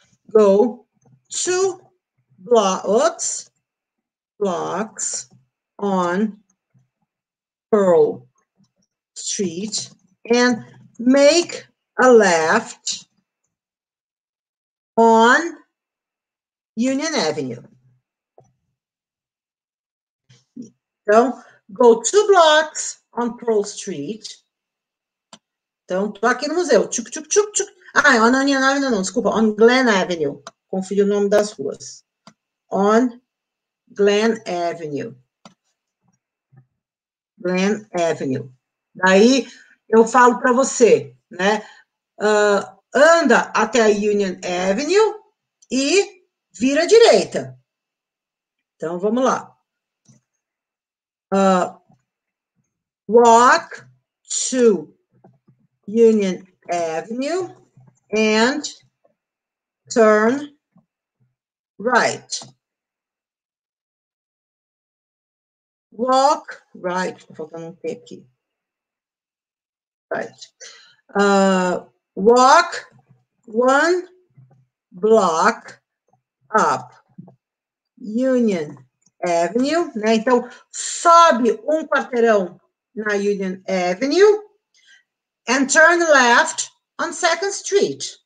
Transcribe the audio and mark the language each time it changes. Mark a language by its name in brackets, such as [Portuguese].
[English] Go 2 blocks on Pearl Street and make a left on Union Avenue. Então, go two blocks on Pearl Street. [Portuguese] Então, tô aqui no museu. Tchuc, tchuc, tchuc, tchuc. Ah, [English] on Union Avenue, [Portuguese] não, desculpa. [English] On Glen Avenue. [Portuguese] Confundi o nome das ruas. [English] On Glen Avenue. [Portuguese] Glen Avenue. Daí eu falo para você, né? Anda até a Union Avenue e vira à direita. Então vamos lá. [English] Walk to Union Avenue and turn right. Walk right, [Portuguese] tô faltando um T aqui. [English] Right. Walk one block up Union Avenue, né? [Portuguese] Então, sobe um quarteirão na Union Avenue [English] and turn left on Second Street.